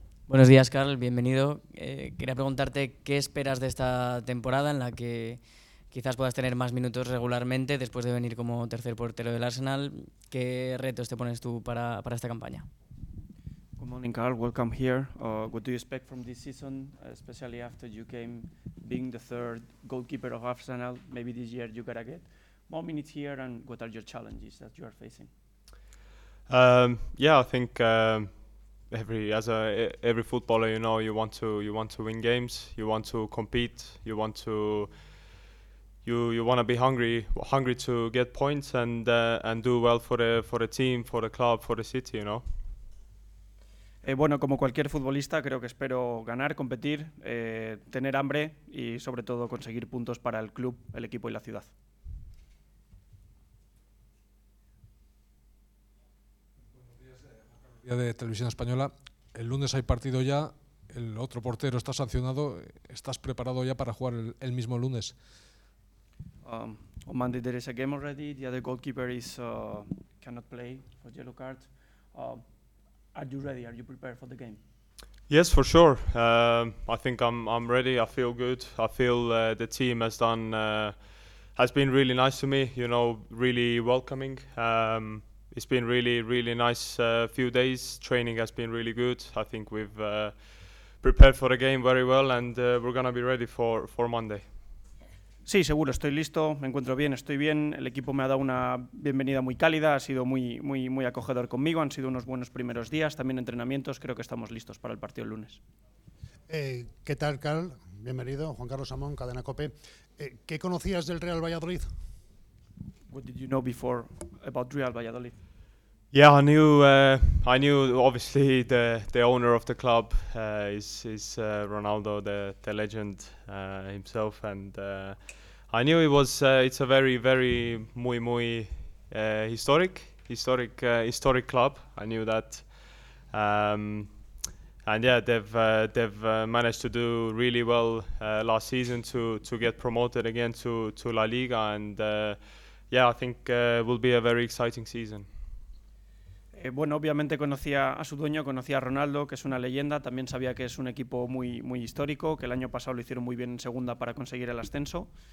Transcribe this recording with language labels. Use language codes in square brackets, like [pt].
[es] Buenos días, Karl. Bienvenido. Quería preguntarte qué esperas de esta temporada en la que quizás puedas tener más minutos regularmente después de venir como tercer portero del Arsenal. ¿Qué retos te pones tú para esta campaña? [en] Good morning, Karl. Welcome here. What do you expect from this season, especially after you came being the third goalkeeper of Arsenal? Maybe this year you gotta get more minutes here. And what are your challenges that you are facing? I think. Every footballer, you want to win games, you want to compete, you want to be hungry to get points and do well for the team, for the club, for the city, you know. [es] Bueno, como cualquier futbolista, creo que espero ganar, competir, tener hambre y sobre todo conseguir puntos para el club, el equipo y la ciudad. De Televisión Española. El lunes hay partido ya, el otro portero está sancionado. ¿Estás preparado ya para jugar el mismo lunes? [en] On Monday there is a game already. The other goalkeeper is cannot play for yellow card. Are you ready? Are you prepared for the game? Yes, for sure. I think I'm ready. I feel good. I feel the team has been really nice to me, you know, really welcoming. It's been really, really nice few days. Training has been really good. I think we've prepared for the game very well and we're going to be ready for Monday. [es] Sí, seguro, estoy listo, me encuentro bien, estoy bien. El equipo me ha dado una bienvenida muy cálida, ha sido muy, muy, muy acogedor conmigo, han sido unos buenos primeros días, también entrenamientos, creo que estamos listos para el partido el lunes. ¿Qué tal, Karl? Bienvenido, Juan Carlos Samón, Cadena COPE. ¿Qué conocías del Real Valladolid? [en] What did you know before about Real Valladolid? Yeah, I knew obviously the owner of the club is Ronaldo, the legend himself, and I knew it was it's a very, very [es] muy, muy [en] historic club. I knew that, and yeah, they've managed to do really well last season to get promoted again to La Liga, and yeah, I think will be a very exciting season. [es] Bueno, obviamente conocía a su dueño, conocía a Ronaldo, que es una leyenda. También sabía que es un equipo muy, muy histórico, que el año pasado lo hicieron muy bien en segunda para conseguir el ascenso.